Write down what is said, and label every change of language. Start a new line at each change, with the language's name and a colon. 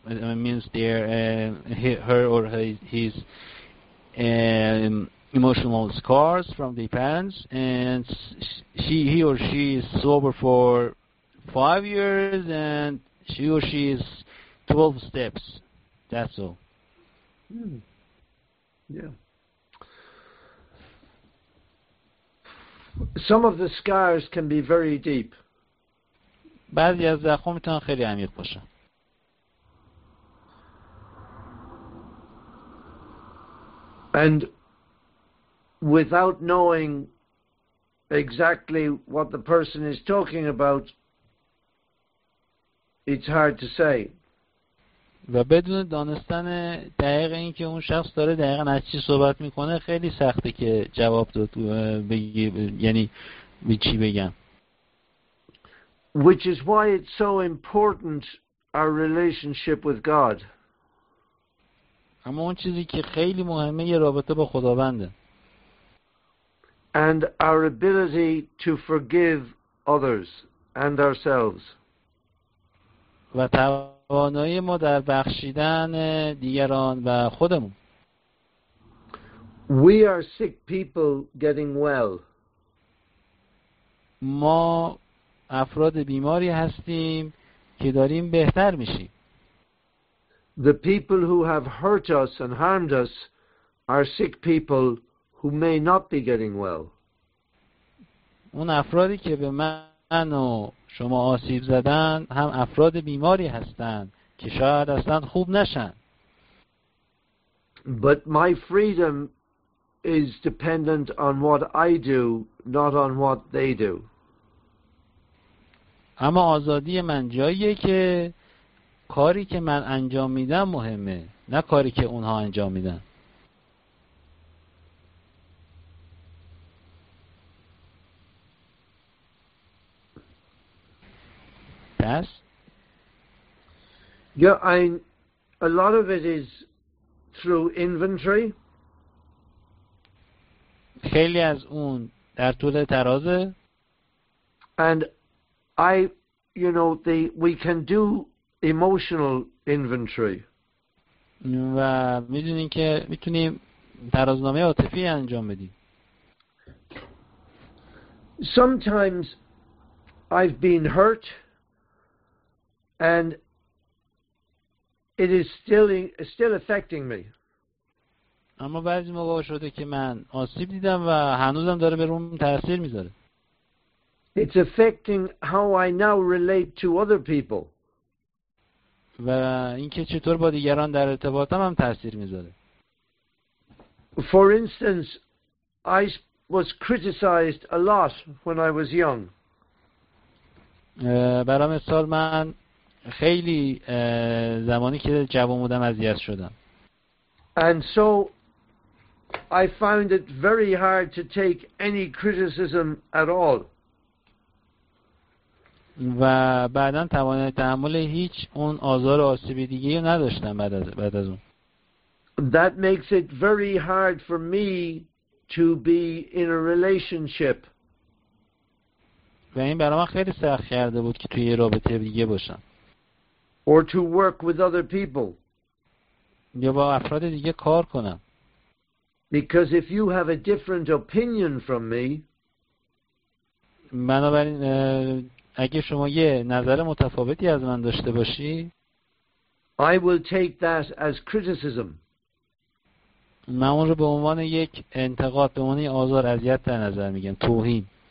English: It means they're his emotional scars from the parents, and he or she is sober for 5 years, and she or she is 12 steps. That's all. Some of the scars can be very deep.
Persian: بعضی از زخم‌ها میتونن خیلی عمیق باشن.
English: And without knowing exactly what the person is talking about, it's hard to say.
Persian: و بدون دانستن دقیق این که اون شخص داره دقیقا از چی صحبت میکنه، خیلی سخته که جواب داد بگی، یعنی به چی بگم.
English: Which is why it's so important, our relationship with God.
Persian: اما اون چیزی که خیلی مهمه یه رابطه با خداونده.
English: And our ability to forgive others and ourselves.
Persian: و توانایی ما در بخشیدن دیگران و خودمون.
English: We are sick people getting well.
Persian: ما افراد بیماری هستیم که داریم بهتر میشیم.
English: The people who have hurt us and harmed us are sick people who may not be getting well.
Persian: اون افرادی که به من و شما آسیب زدن هم افراد بیماری هستند که شاید اصلا خوب نشن.
English: But my freedom is dependent on what I do, not on what they do.
Persian: اما آزادی من جاییه که کاری که من انجام میدم مهمه، نه کاری که اونها انجام میدن. پس
English: a lot of it is through inventory.
Persian: خیلی از اون در طول ترازه.
English: And I, you know, the we can do emotional inventory.
Persian: و میدونین که میتونیم ترازنامه عاطفی انجام بدیم.
English: Sometimes I've been hurt and it is still affecting me.
Persian: اما بعضی موقع شده که من آسیب دیدم و هنوزم داره به روم تأثیر میذاره.
English: It's affecting how I now relate to other people.
Persian: و اینکه چطور با دیگران در ارتباطم هم تأثیر میذاره.
English: For instance, I was criticized a lot when I was young.
Persian: برای مثال من خیلی زمانی که جوان بودم اذیت شدم.
English: And so I found it very hard to take any criticism at all.
Persian: و بعداً توانای تحمل هیچ اون آزار و آسیب دیگه رو نداشتم بعد از اون.
English: That makes it very hard for me to be in a relationship.
Persian: و این برای من خیلی سخت کرده بود که توی یه رابطه دیگه باشم.
English: Or to work with other people.
Persian: یا با افراد دیگه کار کنم.
English: Because if you have a different opinion from me,
Persian: بنابراین اگه شما یه نظر متفاوتی از من داشته باشی،
English: I will take that as criticism.
Persian: من اون رو به عنوان یک انتقاد، به عنوان یک آزار اذیت در نظر میگم، توهین.